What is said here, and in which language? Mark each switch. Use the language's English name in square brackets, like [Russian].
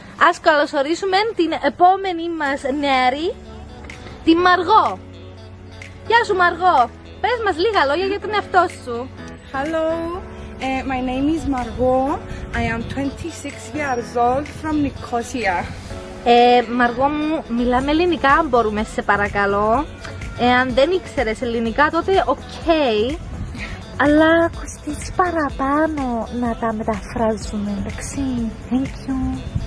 [Greek] Ας καλωσορίσουμε την επόμενη μας νεαρή, τη Μαργό. Γεια σου Μαργό, πες μας λίγα λόγια για τον εαυτό σου. [English] Hello, my name is Μαργό, I am 26 years old from Nicosia. [Greek] Μαργό μου, μιλάμε ελληνικά αν μπορούμε, σε παρακαλώ. Αν δεν ήξερες ελληνικά τότε ok, αλλά κοστίζει παραπάνω να τα μεταφράζουμε, εντάξει, [English] thank you.